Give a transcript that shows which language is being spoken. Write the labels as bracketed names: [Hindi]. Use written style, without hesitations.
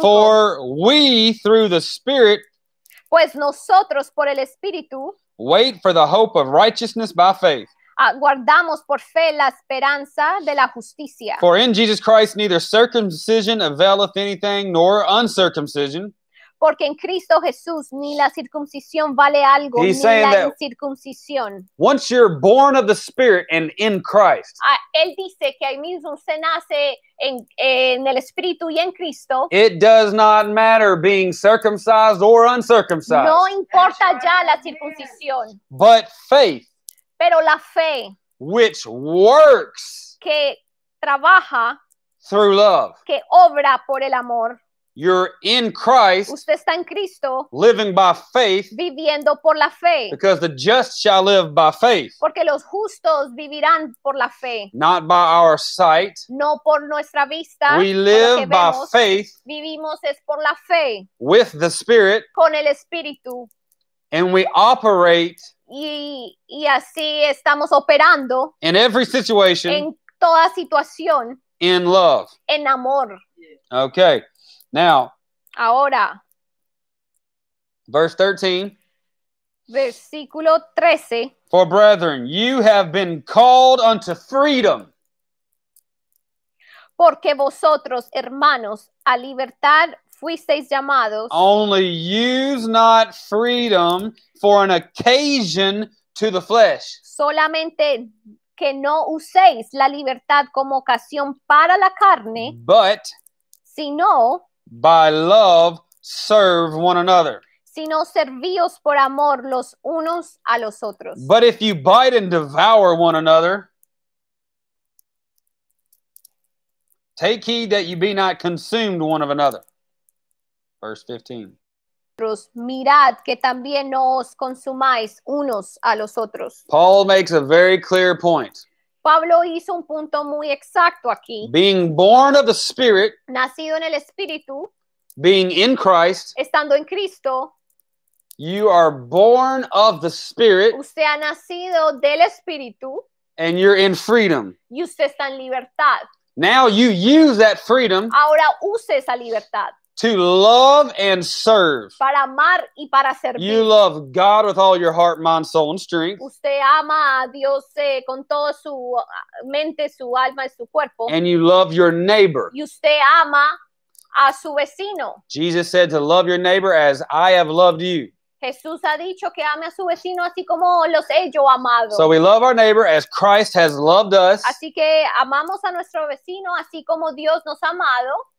[English] For we, through the Spirit, [Spanish] pues nosotros por el Espíritu, [English] wait for the hope of righteousness by faith. [Spanish] Guardamos por fe la esperanza de la justicia. [English] For in Jesus Christ neither circumcision availeth anything nor uncircumcision. [Spanish] Porque en Cristo Jesús ni la circuncisión vale algo. [English] He's [Spanish] ni [English] saying that [Spanish] incircuncisión. [English] Once you're born of the Spirit and in Christ, [Spanish] él dice que ahí mismo se nace en el Espíritu y en Cristo. [English] It does not matter being circumcised or uncircumcised. [Spanish] No importa ya la circuncisión. [English] But faith, [Spanish] pero la fe, [English] which works, [Spanish] que trabaja, [English] through love, [Spanish] que obra por el amor. [English] You're in Christ, [Spanish] usted está en Cristo, [English] living by faith, [Spanish] viviendo por la fe, [English] because the just shall live by faith, [Spanish] porque los justos vivirán por la fe, [English] not by our sight, [Spanish] no por nuestra vista. [English] We live by faith, [Spanish] vivimos es por la fe, [English] with the Spirit, [Spanish] con el Espíritu, [English] and we operate, [Spanish] y así estamos operando, [English] in every situation, [Spanish] en toda situación, [English] in love, [Spanish] en amor. [English] Okay. Now, [Spanish] ahora, [English] verse 13, [Spanish] versículo 13, [English] for brethren, you have been called unto freedom. [Spanish] Porque vosotros, hermanos, a libertad fuisteis llamados. [English] Only use not freedom for an occasion to the flesh. [Spanish] Solamente que no uséis la libertad como ocasión para la carne. [English] But, [Spanish] sino, [English] by love, serve one another. [Spanish] Sino servíos por amor los unos a los otros. [English] But if you bite and devour one another, take heed that you be not consumed one of another. Verse 15. [Spanish] Mirad que también no os consumáis unos a los otros. [English] Paul makes a very clear point. [Spanish] Pablo hizo un punto muy exacto aquí. [English] Being born of the Spirit, [Spanish] nacido en el Espíritu, [English] being in Christ, [Spanish] estando en Cristo, [English] you are born of the Spirit, [Spanish] usted ha nacido del Espíritu, [English] and you're in freedom, [Spanish] y usted está en libertad. [English] Now you use that freedom, [Spanish] ahora use esa libertad, [English] to love and serve. [Spanish] Para amar y para servir. [English] You love God with all your heart, mind, soul, and strength. [Spanish] Usted ama a Dios con toda su mente, su alma, y su cuerpo. [English] And you love your neighbor. [Spanish] Y usted ama a su vecino. [English] Jesus said to love your neighbor as I have loved you. [Spanish] Jesús ha dicho que ame a su vecino así como los he yo amado. [English] So we love our neighbor as Christ has loved us. [Spanish] Así que amamos a nuestro vecino así como Dios nos ha amado.